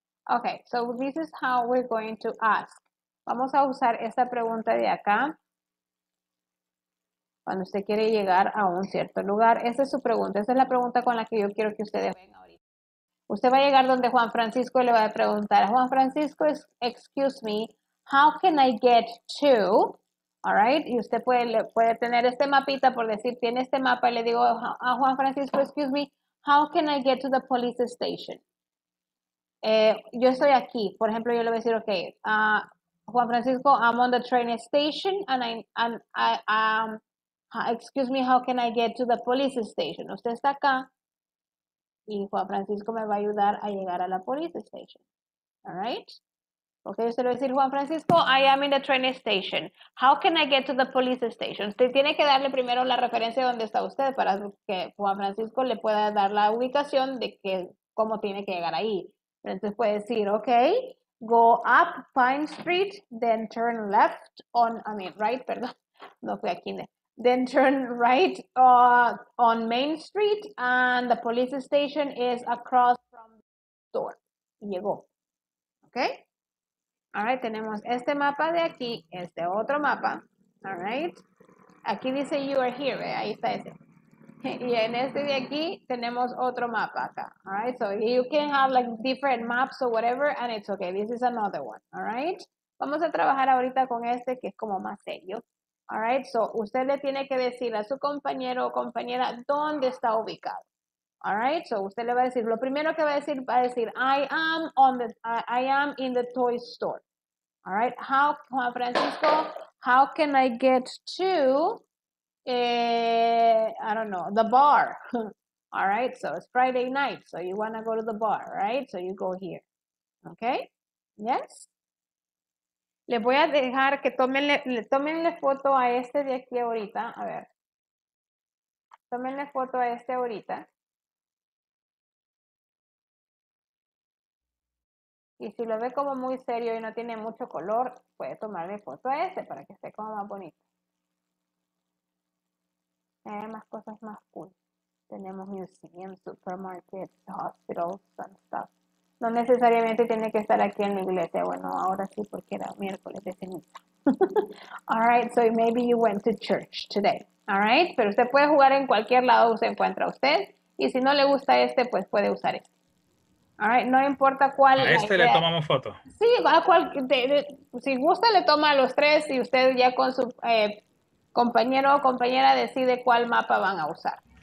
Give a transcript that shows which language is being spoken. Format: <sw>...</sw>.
<en>Okay, so this is how we're going to ask.</en> <es>Vamos a usar esta pregunta de acá. Cuando usted quiere llegar a un cierto lugar, esa es su pregunta. Esa es la pregunta con la que yo quiero que ustedes vengan ahorita. Usted va a llegar donde Juan Francisco y le va a preguntar, Juan Francisco,</es> <en>excuse me, how can I get to? All right,</en> <es>y usted puede tener este mapita por decir, tiene este mapa y le digo a Juan Francisco,</es> <en>excuse me, how can I get to the police station?</en> <es>Yo estoy aquí, por ejemplo, yo le voy a decir, ok, Juan Francisco,</es> <en>I'm on the train station, excuse me, how can I get to the police station?</en> <es>Usted está acá, y Juan Francisco me va a ayudar a llegar a la police station,</es> <en>all right?</en> <es>Ok, usted le va a decir, Juan Francisco,</es> <en>I am in the train station, how can I get to the police station?</en> <es>Usted tiene que darle primero la referencia de dónde está usted, para que Juan Francisco le pueda dar la ubicación de cómo tiene que llegar ahí. Entonces puede decir, ok,</es> <en>go up Pine Street, then turn left on, I mean, right,</en> <es>perdón, no fui aquí,</es> <en>then turn right on Main Street, and the police station is across from the store.</en> <es>Llegó.</es> <en>Okay? All right,</en> <es>tenemos este mapa de aquí, este otro mapa.</es> <en>All right?</en> <es>Aquí dice</es> <en>you are here,</en> <es>¿eh? Ahí está ese. Y en este de aquí tenemos otro mapa acá.</es> <en>All right, so you can have like different maps or whatever, and it's okay. This is another one. All right?</en> <es>Vamos a trabajar ahorita con este que es como más serio.</es> <en>All right, so</en> <es>usted le tiene que decir a su compañero o compañera dónde está ubicado.</es> <en>All right, so</en> <es>usted le va a decir, lo primero que va a decir,</es> <en>I am in the toy store. All right, how, Juan Francisco, how can I get to, I don't know, the bar. All right, so it's Friday night, so you want to go to the bar, right? So you go here, okay, yes?</en> <es>Les voy a dejar que tomenle foto a este de aquí ahorita. A ver. Tómenle foto a este ahorita. Y si lo ve como muy serio y no tiene mucho color, puede tomarle foto a este para que esté como más bonito. Hay más cosas más cool. Tenemos</es> <en>museum, supermarket, hospitals and stuff.</en> <es>No necesariamente tiene que estar aquí en la iglesia. Bueno, ahora sí, porque era miércoles de ceniza.</es> <en>All right, so maybe you went to church today. All right,</en> <es>pero usted puede jugar en cualquier lado donde se encuentra usted. Y si no le gusta este, pues puede usar este.</es> <en>All right,</en> <es>no importa cuál. A este le tomamos foto. Sí, a cualquier. Si gusta, le toma a los tres y usted ya con su compañero o compañera decide cuál mapa van a usar.</es>